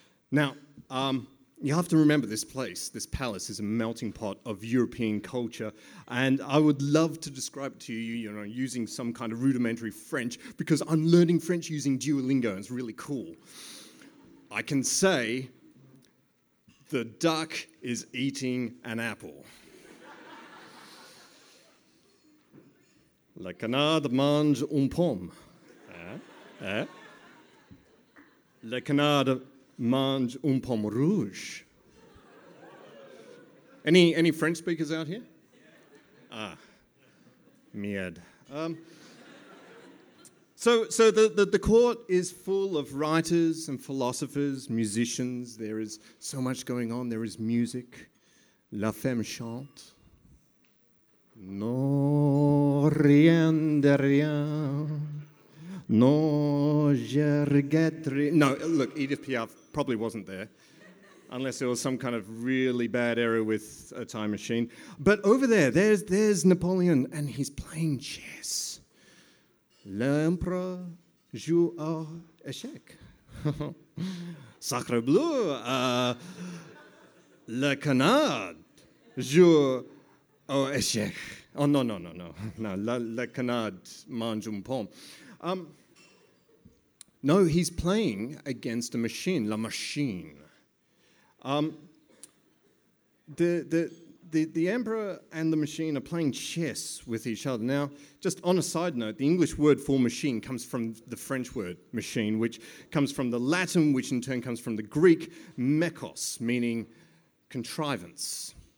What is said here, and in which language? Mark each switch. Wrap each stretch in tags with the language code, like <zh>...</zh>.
<en>Now, you have to remember this place, this palace, is a melting pot of European culture, and I would love to describe it to you, you know, using some kind of rudimentary French, because I'm learning French using Duolingo, and it's really cool. I can say, the duck is eating an apple.</en> <fr>Le canard mange une pomme. Le canard mange une pomme rouge.</fr> <en>Any French speakers out here? Ah, mierd. So the court is full of writers and philosophers, musicians. There is so much going on. There is music.</en> <fr>La femme chante. No, rien de rien. No, je regrette rien.</fr> <en>No, look, Edith Piaf probably wasn't there. Unless it was some kind of really bad error with a time machine. But over there, there's Napoleon, and he's playing chess.</en> <fr>L'empereur joue à échec. Sacre bleu, le canard joue à échec.</fr> <en>Oh, no.</en> <fr>No, le canard mange une pomme.</fr> <en>No, he's playing against a machine,</en> <fr>la machine.</fr> <en>The emperor and the machine are playing chess with each other. Now, just on a side note, the English word for machine comes from the French word machine, which comes from the Latin, which in turn comes from the Greek mekos, meaning contrivance.</en>